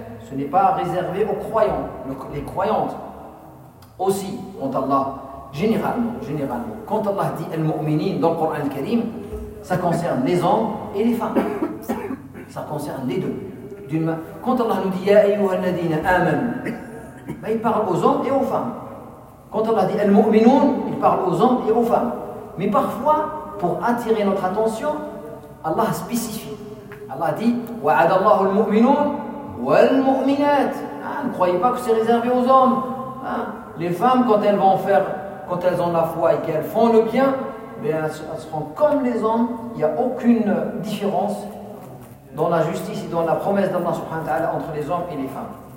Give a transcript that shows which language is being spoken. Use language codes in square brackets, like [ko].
[fr] Ce n'est pas réservé aux croyants, les croyantes aussi, quand Allah, généralement, quand Allah dit الْمُؤْمِنِينَ dans le Coran al-Karim, ça concerne les hommes et les femmes. Ça concerne les deux. Quand Allah nous dit [ar] يَا أَيُّهَا الَّذِينَ آمَنُوا, [fr] il parle aux hommes et aux femmes. Quand Allah dit الْمُؤْمِنُونَ, il parle aux hommes et aux femmes. Mais parfois, pour attirer notre attention, Allah spécifie. Allah dit [ar] وَعَدَ اللَّهُ الْمُؤْمِنُونَ وَالْمُؤْمِنَاتِ. [fr] Ne croyez pas que c'est réservé aux hommes. Hein? Les femmes, quand elles ont la foi et qu'elles font le bien, elles seront comme les hommes. Il n'y a aucune différence dans la justice et dans la promesse d'Allah subhanahu wa ta'ala entre les hommes et les femmes.